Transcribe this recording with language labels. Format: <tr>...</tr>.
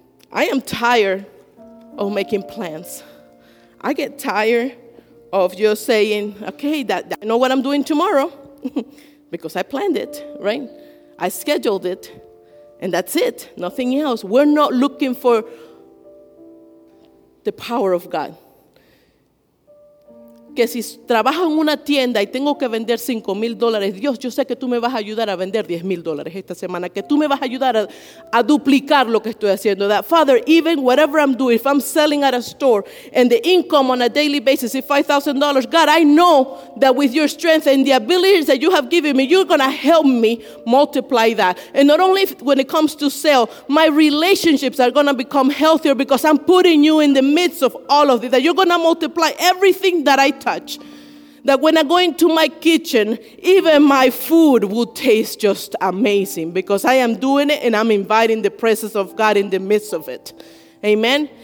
<en>I am tired of making plans. I get tired of just saying, okay, that I know what I'm doing tomorrow because I planned it, right? I scheduled it, and that's it, nothing else. We're not looking for the power of God.</en> <es>Que si trabajo en una tienda y tengo que vender $5,000, Dios, yo sé que tú me vas a ayudar a vender $10,000 esta semana, que tú me vas a ayudar a duplicar lo que estoy haciendo.</es> <en>That Father, even whatever I'm doing, if I'm selling at a store and the income on a daily basis is $5,000, God, I know that with your strength and the abilities that you have given me, you're going to help me multiply that. And not only when it comes to sale, my relationships are going to become healthier because I'm putting you in the midst of all of this, that you're going to multiply everything that I touch, that when I go into my kitchen, even my food will taste just amazing because I am doing it and I'm inviting the presence of God in the midst of it. Amen.</en>